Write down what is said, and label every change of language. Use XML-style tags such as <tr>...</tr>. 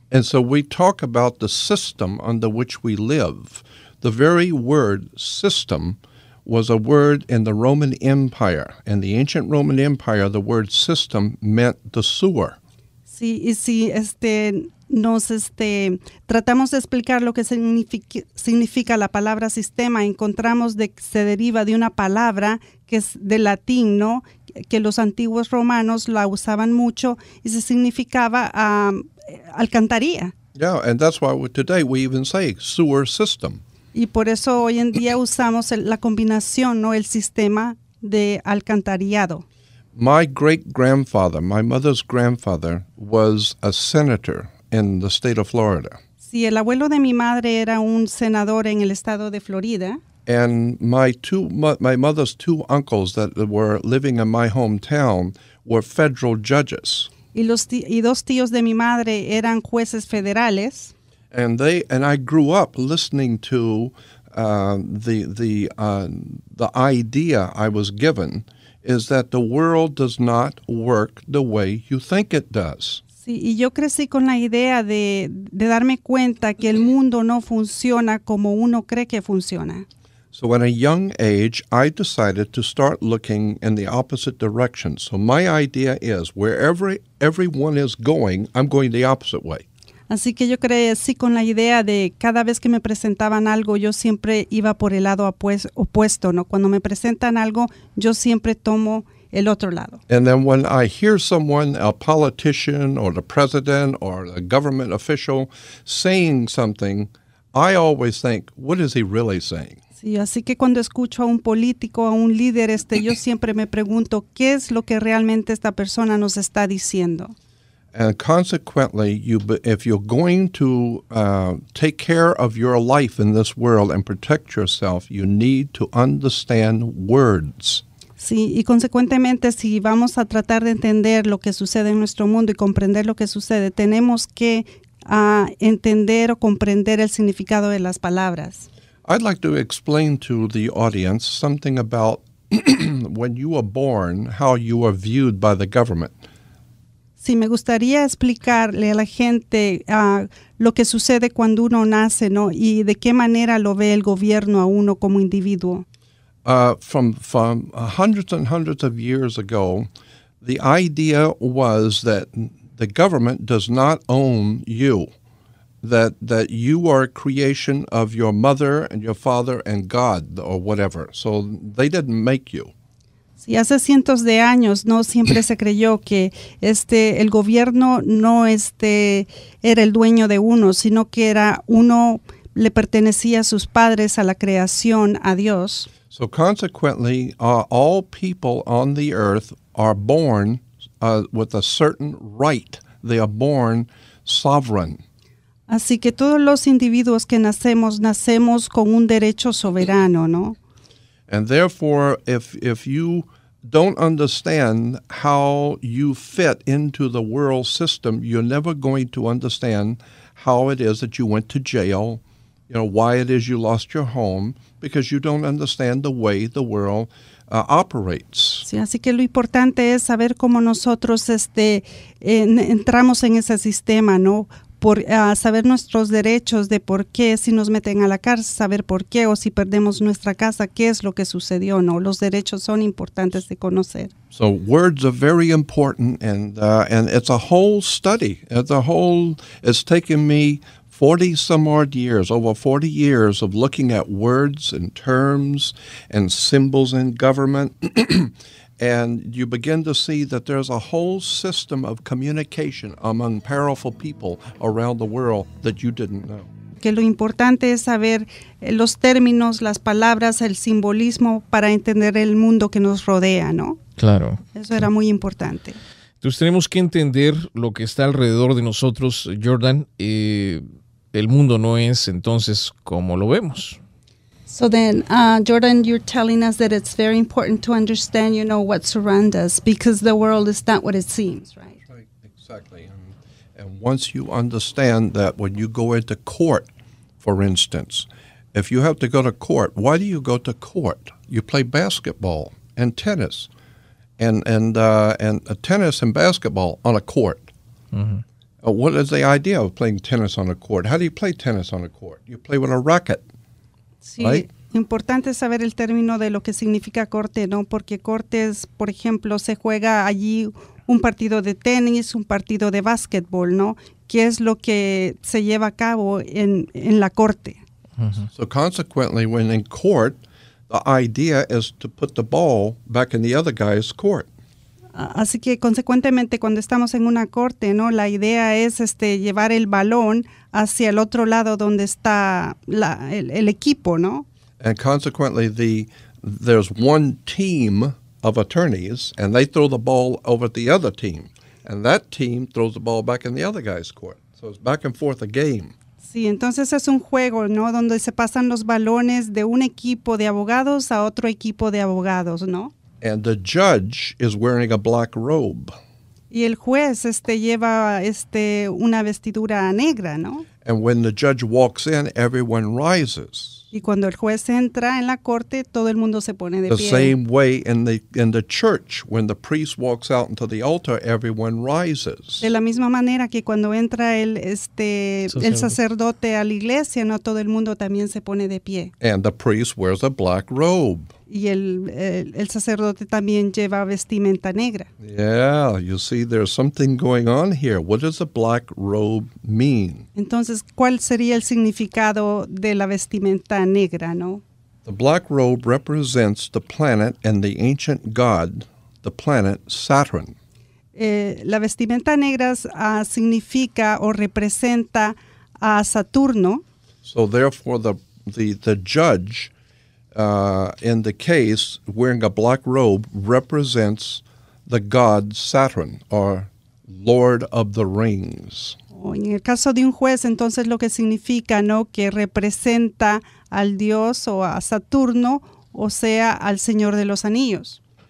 <en>And so we talk about the system under which we live. The very word system was a word in the Roman Empire. In the ancient Roman Empire, the word system meant the sewer.</en> <es>Sí, y si nos tratamos de explicar lo que significa la palabra sistema, encontramos de que se deriva de una palabra que es de latín, ¿no? Que los antiguos romanos la usaban mucho y se significaba alcantarilla.</es> <en>Yeah, and that's why today we even say sewer system.</en> <es>Y por eso hoy en día usamos la combinación, ¿no? El sistema de alcantarillado.</es> <en>My great-grandfather, my mother's grandfather, was a senator in the state of Florida.</en> <es>Sí, el abuelo de mi madre era un senador en el estado de Florida.</es> <en>And my mother's two uncles that were living in my hometown were federal judges.</en> <es>Y dos tíos de mi madre eran jueces federales.</es> <en>And I grew up listening to the idea I was given is that the world does not work the way you think it does.</en> <es>Sí, y yo crecí con la idea de darme cuenta que el mundo no funciona como uno cree que funciona.</es> <en>So at a young age, I decided to start looking in the opposite direction. So my idea is, wherever everyone is going, I'm going the opposite way.</en> <es>Así que yo crecí con la idea de cada vez que me presentaban algo, yo siempre iba por el lado opuesto, ¿no? Cuando me presentan algo, yo siempre tomo el otro lado.</es> <en>And then when I hear someone, a politician or the president or a government official, saying something, I always think, what is he really saying?</en> <es>Sí, así que cuando escucho a un político, a un líder, yo siempre me pregunto, ¿qué es lo que realmente esta persona nos está diciendo?</es> <en>And consequently, if you're going to take care of your life in this world and protect yourself, you need to understand words.</en> <es>Sí, y consecuentemente, si vamos a tratar de entender lo que sucede en nuestro mundo y comprender lo que sucede, tenemos que entender o comprender el significado de las palabras.</es> <en>I'd like to explain to the audience something about when you are born, how you are viewed by the government.</en> <es>Sí, me gustaría explicarle a la gente lo que sucede cuando uno nace, ¿no? Y de qué manera lo ve el gobierno a uno como individuo.</es> <en>From hundreds and hundreds of years ago, the idea was that the government does not own you. That you are a creation of your mother and your father and God or whatever. So they didn't make you.</en> <es>Sí, hace cientos de años, no siempre se creyó que el gobierno no era el dueño de uno, sino que era uno le pertenecía a sus padres, a la creación, a Dios.</es> <en>So consequently, all people on the earth are born with a certain right. They are born sovereign.</en> <es>Así que todos los individuos que nacemos con un derecho soberano, ¿no?</es> <en>And therefore, if you don't understand how you fit into the world system, you're never going to understand how it is that you went to jail, you know, why it is you lost your home, because you don't understand the way the world operates.</en> <es>Sí, así que lo importante es saber cómo nosotros entramos en ese sistema, ¿no? Por saber nuestros derechos de por qué, si nos meten a la cárcel, saber por qué, o si perdemos nuestra casa, qué es lo que sucedió, ¿no? Los derechos son importantes de conocer.</es> <en>So words are very important, and it's a whole study. It's taken me 40 some odd years, over 40 years of looking at words and terms and symbols in government. And you begin to see that there's a whole system of communication among powerful people around the world that you didn't know.</en> <es>Que lo importante es saber los términos, las palabras, el simbolismo para entender el mundo que nos rodea, ¿no? Claro. Eso era muy importante. Entonces tenemos que entender lo que está alrededor de nosotros, Jordan. El mundo no es entonces como lo vemos.</es> <en>So then, Jordan, you're telling us that it's very important to understand, you know, what surrounds us, because the world is not what it seems, right? Exactly. And once you understand that when you go into court, for instance, if you have to go to court, why do you go to court? You play basketball and tennis. and tennis and basketball on a court. Mm-hmm. What is the idea of playing tennis on a court? How do you play tennis on a court? You play with a racket,</en> <es>sí,</es> <en>right?</en> <es>Importante saber el término de lo que significa corte, ¿no? Porque cortes, por ejemplo, se juega allí un partido de tenis, un partido de basketball, ¿no? ¿Qué es lo que se lleva a cabo en la corte? Mm-hmm.</es> <en>So consequently, when in court, the idea is to put the ball back in the other guy's court.</en> <es>Así que, consecuentemente, cuando estamos en una corte, ¿no? La idea es llevar el balón hacia el otro lado donde está el equipo, ¿no?</es> <en>And consequently, there's one team of attorneys, and they throw the ball over the other team. And that team throws the ball back in the other guy's court. So it's back and forth a game.</en> <es>Sí, entonces es un juego, ¿no? Donde se pasan los balones de un equipo de abogados a otro equipo de abogados, ¿no?</es> <en>And the judge is wearing a black robe.</en> <es>Y el juez lleva una vestidura negra, ¿no?</es> <en>And when the judge walks in, everyone rises.</en> <es>Y cuando el juez entra en la corte, todo el mundo se pone de pie.</es> <en>The same way in the church, when the priest walks out into the altar, everyone rises.</en> <es>De la misma manera que cuando entra el sacerdote a la iglesia, no todo el mundo también se pone de pie.</es> <en>And the priest wears a black robe.</en> <es>Y el sacerdote también lleva vestimenta negra.</es> <en>Yeah, you see, there's something going on here. What does the black robe mean?</en> <es>Entonces, ¿cuál sería el significado de la vestimenta negra, no?</es> <en>The black robe represents the planet and the ancient god, the planet Saturn.</en> <es>La vestimenta negra significa o representa a Saturno.</es> <en>So therefore, the judge in the case, wearing a black robe represents the god Saturn, or Lord of the Rings.</en> <es>En el caso de un juez, entonces lo que significa, ¿no?, que representa al dios o a Saturno, o sea, al Señor de los Anillos.</es>